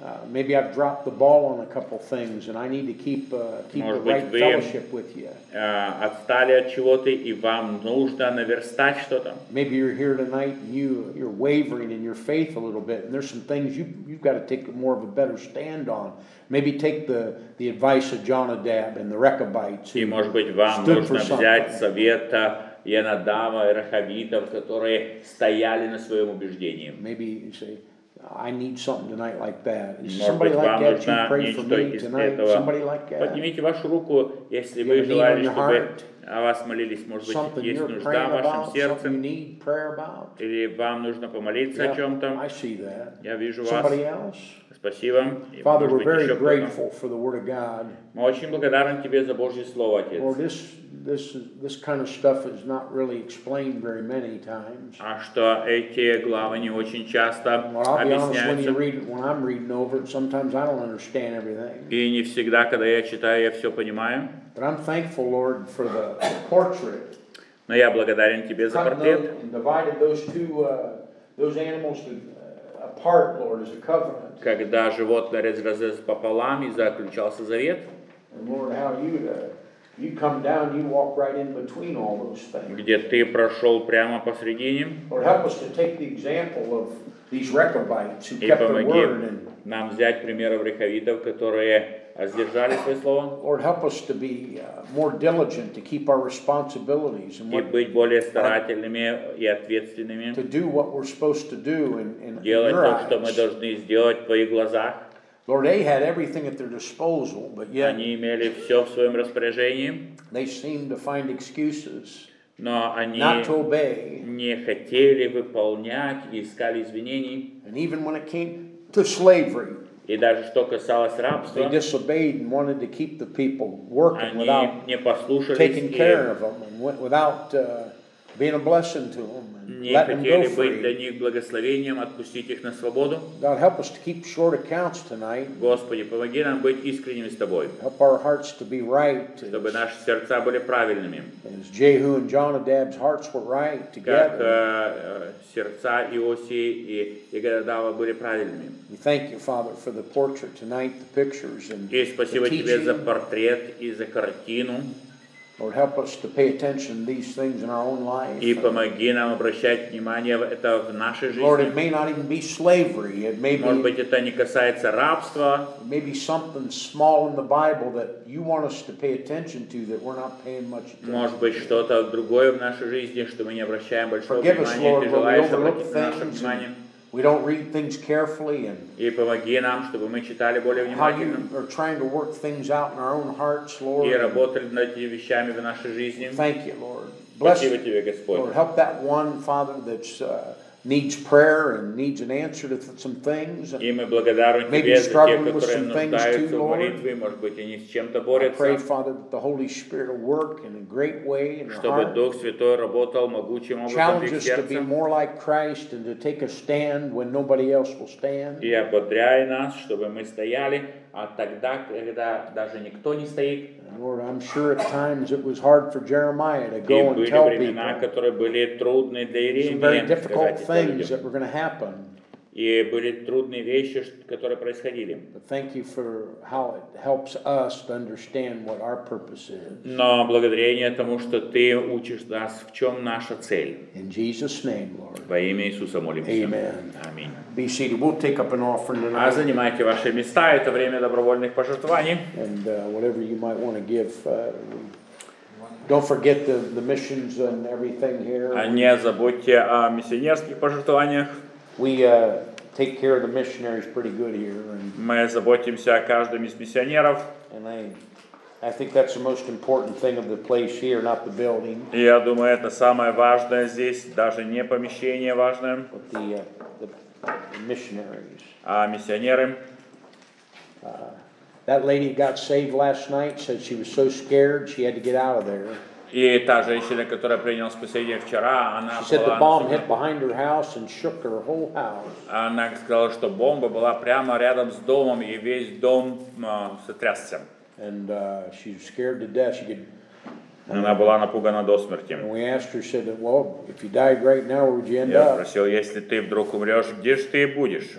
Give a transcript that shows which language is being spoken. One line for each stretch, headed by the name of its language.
English: Maybe I've dropped the ball on a couple things, and I need to keep the right fellowship with you.
Russian: Отстали от чего-то, и вам нужно наверстать что-то.
English: Maybe you're here tonight, and you're wavering in your faith a little bit, and there's some things you've got to take more of a better stand on. Maybe take the advice of Jonadab and the Rechabites. И может быть вам нужно взять совета Ионадава и Рахавитов, которые стояли на своем убеждении. Maybe you say, I need something tonight like that. Somebody like that, you pray for me tonight. Somebody like that.
Russian: Поднимите вашу руку, если вы желали, чтобы о вас молились. Может быть, есть нужда в вашем сердце. Или вам нужно помолиться о чем-то. Я вижу вас.
English: Somebody else?
Russian: Спасибо.
English: Father, we're very grateful for the Word of God.
Russian: Мы очень благодарны тебе за Божье Слово, Отец.
English: Lord, this kind of stuff is not really explained very many times.
Russian: А что эти главы не очень часто объясняются.
English: When I'm reading over it, sometimes I don't understand everything.
Russian: И не всегда, когда я читаю, я все понимаю.
English: But I'm thankful, Lord, for the portrait.
Russian: Но я благодарен тебе за портрет.
English: And divided those two those animals apart, Lord, as a covenant.
Russian: Когда животное разрезалось пополам и заключался завет.
English: And Lord, how you come down, you walk right in between all those things.
Russian: Где ты прошел прямо посредине.
English: Lord, help us to take the example of these Rechabites who kept their word.
Russian: И помоги нам взять пример Рехавитов, которые сдержали свое слово.
English: Lord, help us to be more diligent to keep our responsibilities and
Russian: и быть более старательными и ответственными.
English: To do what we're supposed to do in
Russian: делать то, что мы должны сделать в твоих глазах.
English: Lord, they had everything at their disposal, but yet
Russian: они имели все в своем распоряжении.
English: They seemed to find excuses.
Russian: Но они не хотели выполнять и искали извинений.
English: And even when it came to slavery,
Russian: и даже что касалось рабства,
English: they disobeyed and wanted to keep the people working without
Russian: не послушались
English: taking care of them and went without being a blessing to them.
Russian: Не хотели быть для них благословением, отпустить их на свободу.
English: God, help us to keep short accounts tonight.
Russian: Господи, помоги нам быть искренними с Тобой.
English: Help our hearts to be right.
Russian: Чтобы наши сердца были правильными.
English: As Jehu and Jonadab's hearts were right together.
Russian: Как сердца Иосии и Иегодава были правильными.
English: We thank you, Father, for the portrait тonight, the pictures and the teaching.
Russian: И спасибо тебе за портрет и за картину.
English: Lord, help us to pay attention to these things in our own life.
Russian: И помоги нам обращать внимание это в нашей жизни.
English: Lord, it may not even be slavery. It may be.
Russian: Может быть, это не касается рабства.
English: Maybe something small in the Bible that you want us to pay attention to that we're not paying much attention.
Russian: Может быть, что-то другое в нашей жизни, что мы не обращаем большого внимания.
English: Forgive us, Lord, when we overlook things. We don't read things carefully and
Russian: и помоги нам, чтобы мы читали более внимательно.
English: How you are trying to work things out in our own hearts, Lord.
Russian: И работали над этими вещами в нашей жизни.
English: Thank you, Lord.
Russian: Спасибо тебе, Господь.
English: Lord, help that one, Father, that needs prayer and needs an answer to some things.
Russian: И мы благодарны тебе за тех, которые нуждаются в молитве. Может быть, они с чем-то борются.
English: I pray, Father, that the Holy Spirit will work in a great way in our hearts.
Russian: Чтобы Дух Святой работал могучим образом в сердце.
English: Challenge us to be more like Christ and to take a stand when nobody else will stand.
Russian: И ободряй нас, чтобы мы стояли, а тогда, когда даже никто не стоит.
English: Lord, I'm sure at times it was hard for Jeremiah to go and tell people.
Russian: И были времена, которые были трудны для Иеремии.
English: Some very difficult things that were going to happen.
Russian: И были трудные вещи, которые происходили.
English: But thank you for how it helps us to understand what our purpose is.
Russian: Но благодарение тому, что ты учишь нас, в чем наша цель.
English: In Jesus' name, Lord.
Russian: Во имя Иисуса молимся.
English: Amen. Amen. Be seated. We'll take up an offering tonight.
Russian: А занимайте ваши места. Это время добровольных пожертвований.
English: And whatever you might want to give. Don't forget the missions and everything here.
Russian: Не забудьте о миссионерских пожертвованиях.
English: We take care of the missionaries pretty good here.
Russian: Мы заботимся о каждом из миссионеров.
English: And I think that's the most important thing of the place here, not the building.
Russian: Я думаю, это самое важное здесь, даже не помещение важное.
English: But the missionaries.
Russian: А миссионеры.
English: That lady got saved last night. Said she was so scared she had to get out of there.
Russian: И та женщина, которая приняла спасение вчера, она
English: she said the bomb hit behind her house and shook her whole house.
Russian: Она сказала, что бомба была прямо рядом с домом и весь дом сотрясся.
English: And she was scared to death. She could.
Russian: Она была напугана до смерти.
English: And we asked her, said, "Well, if you died right now, where would you end up?"
Russian: Я спросил, если ты вдруг умрешь, где же ты будешь?